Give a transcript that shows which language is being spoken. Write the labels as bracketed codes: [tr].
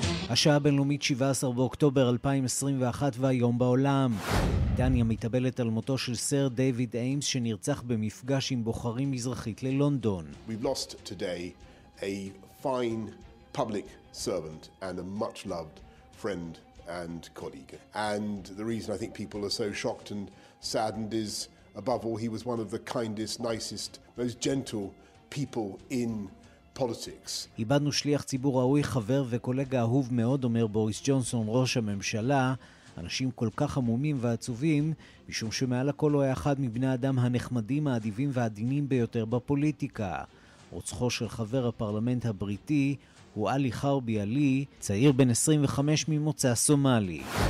[he] השעה הבינלאומית 17 באוקטובר 2021 והיום בעולם. דניה מתאבלת על מותו של סר דיוויד איימס שנרצח במפגש עם בוחרים מזרחית ללונדון. [en] We've lost today a fine public servant and a much loved friend and colleague. And the reason I think people are so shocked and saddened is above all he was one of the kindest, nicest, most gentle people in politics. [he] איבדנו שליח ציבור ראוי, חבר וקולגה אהוב מאוד, אומר בוריס ג'ונסון, ראש הממשלה. אנשים כל כך עמומים ועצובים, משום שמעל הכל הוא היה אחד מבני האדם הנחמדים, האדיבים והעדינים ביותר בפוליטיקה. רוצחו של חבר הפרלמנט הבריטי הוא אלי חרבי אלי, צעיר בן 25 ממוצא סומלי.